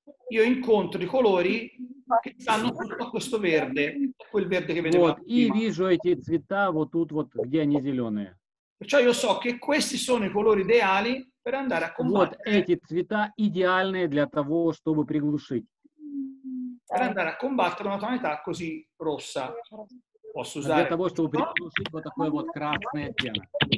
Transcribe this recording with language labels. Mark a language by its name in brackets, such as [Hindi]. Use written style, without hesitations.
[Italian] Io incontro i colori che stanno tutto questo verde, quel verde che vedevamo. [Russian] Вот, и вижу эти цвета вот тут вот, где они зеленые. [Italian] Perciò io so che questi sono i colori ideali per andare a combattere. [Russian] Вот, эти цвета идеальные для того, чтобы приглушить. [Italian] Per andare a combattere una tonalità così rossa. Posso usare [Russian] для того, чтобы приглушить вот такой вот красный оттенок.